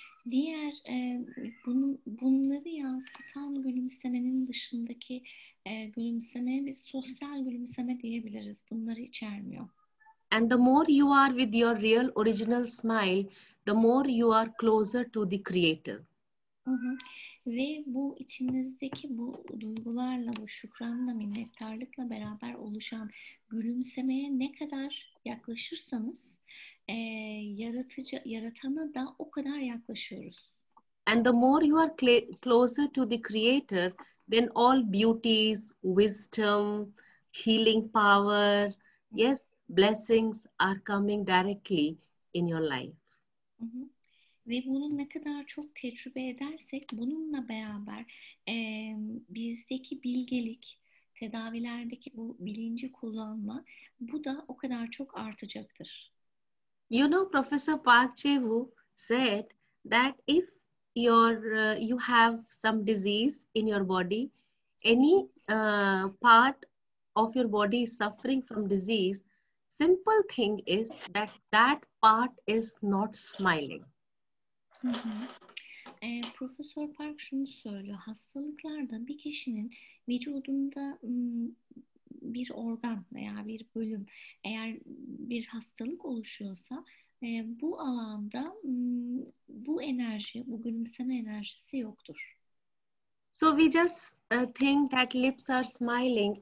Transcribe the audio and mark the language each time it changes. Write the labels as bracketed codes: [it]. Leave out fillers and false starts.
[tr] Diğer bunları yansıtan gülümsemenin dışındaki gülümsemeye biz sosyal gülümseme diyebiliriz. Bunları içermiyor. [en] And the more you are with your real original smile, the more you are closer to the creator. [tr] Ve bu içinizdeki bu duygularla, bu şükranla, minnettarlıkla beraber oluşan gülümsemeye ne kadar yaklaşırsanız, yaratıcı, yaratana da o kadar yaklaşıyoruz. [en] And the more you are closer to the creator, then all beauties, wisdom, healing power, yes, blessings are coming directly in your life. [tr] Ve bunu ne kadar çok tecrübe edersek, bununla beraber bizdeki bilgelik, tedavilerdeki bu bilinci kullanma, bu da o kadar çok artacaktır. [en] You know, Professor Park Chae-woo said that if you have some disease in your body, any part of your body is suffering from disease, simple thing is that part is not smiling. [tr] Profesör Park şunu söylüyor. Hastalıklarda bir kişinin vücudunda bir organ veya bir bölüm, eğer bir hastalık oluşuyorsa bu alanda bu enerji, bu gülümseme enerjisi yoktur. [en] So we just think that lips are smiling.